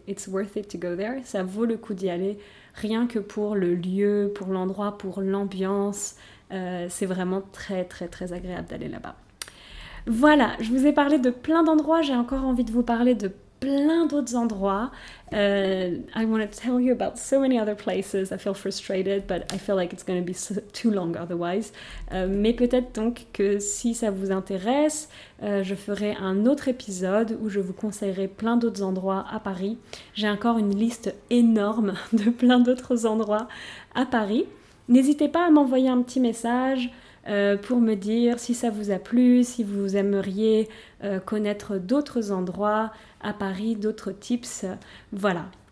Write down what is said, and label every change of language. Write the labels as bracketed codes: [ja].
[en] It's worth it to go there. [fr] Ça vaut le coup d'y aller rien que pour le lieu, pour l'endroit, pour l'ambiance. C'est vraiment très, très, très agréable d'aller là-bas. Voilà, je vous ai parlé de plein d'endroits. J'ai encore envie de vous parler de plein d'autres endroits. [en] I want to tell you about so many other places. I feel frustrated, but I feel like it's going to be so, too long otherwise. [fr] Mais peut-être donc que si ça vous intéresse, je ferai un autre épisode où je vous conseillerai plein d'autres endroits à Paris. J'ai encore une liste énorme de plein d'autres endroits à Paris. N'hésitez pas à m'envoyer un petit message pour me dire si ça vous a plu, si vous aimeriez connaître d'autres endroits à Paris, d'autres tips. Voilà.